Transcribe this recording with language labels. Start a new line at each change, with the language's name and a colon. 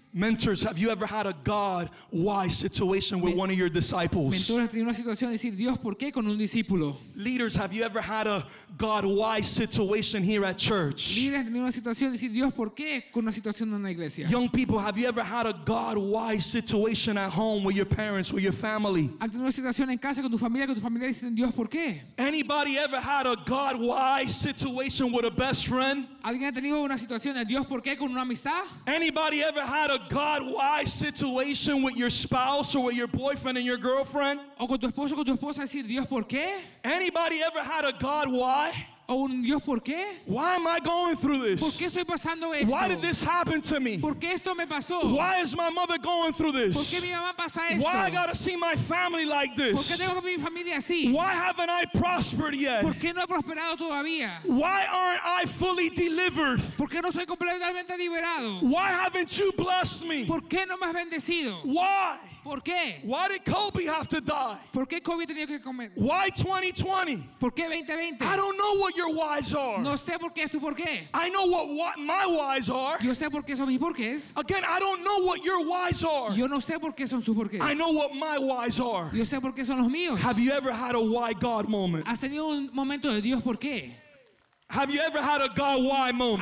English: Mentors, have you ever had a God why situation with one of your disciples?
Spanish: Mentores, ¿has tenido una situación de decir, Dios, ¿por qué con un discípulo?
English: Leaders, have you ever had a God why situation here at church?
Spanish: Líderes, ¿has tenido una situación de decir, Dios, ¿por qué con una situación en la iglesia?
English: Young people, have you ever had a God why situation at home with your parents, with your family?
Spanish: ¿Has tenido una situación en casa con tu familia diciendo, Dios, ¿por qué?
English: Anybody ever had a God why situation with a best friend?
Spanish: ¿Alguien ha tenido una situación de Dios, ¿por qué con una amistad?
English: Anybody ever had a God why situation with your spouse or with your boyfriend and your girlfriend?
Spanish: ¿O con tu esposo o con tu esposa decir Dios por qué?
English: Anybody ever had a God why?
Spanish: ¿O un Dios por qué?
English: Why am I going through this?
Spanish: ¿Por qué estoy pasando esto?
English: Why did this happen to me?
Spanish: ¿Por qué esto me pasó?
English: Why is my mother going through this?
Spanish: ¿Por qué mi mamá pasa esto?
English: Why I gotta see my family like this?
Spanish: ¿Por qué tengo mi familia así?
English: Why haven't I prospered yet?
Spanish: ¿Por qué no he prosperado todavía?
English: Why aren't I fully delivered?
Spanish: ¿Por qué no soy completamente liberado?
English: Why haven't you blessed me?
Spanish: ¿Por qué no me has bendecido?
English: Why?
Spanish: ¿Por qué?
English: Why did Kobe have to die?
Spanish: ¿Por qué Kobe tenía que comer?
English: Why 2020?
Spanish: ¿Por qué 2020?
English: I don't know what your whys are.
Spanish: No sé por qué es tu por qué.
English: I know what my whys are.
Spanish: Yo sé por qué son mis porqués.
English: Again, I don't know what your whys are.
Spanish: Yo no sé por qué son sus porqués.
English: I know what my whys are.
Spanish: Yo sé por qué son los míos.
English: Have you ever had a why God moment?
Spanish: ¿Has tenido un momento de Dios por qué?
English: Have you ever had a God why moment?